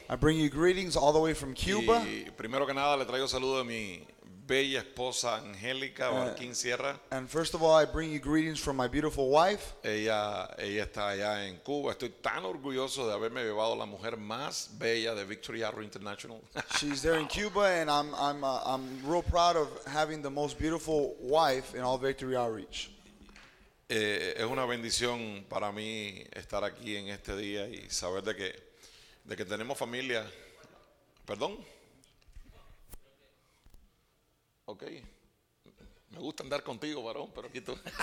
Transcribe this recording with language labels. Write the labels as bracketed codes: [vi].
[en] I bring you greetings all the way from Cuba. [es] Y primero que nada, les traigo saludos a mi bella esposa Angélica Barquín Sierra. [en] And first of all, I bring you greetings from my beautiful wife. [es] Ella está allá en Cuba. Estoy tan orgulloso de haberme llevado la mujer más bella de Victory Arrow International. [en] She's there in Cuba, and I'm real proud of having the most beautiful wife in all Victory Outreach. [es] Es una bendición para mí estar aquí en este día y saber de que tenemos familia. Perdón. Okay. Me gusta andar contigo, varón, pero aquí tú.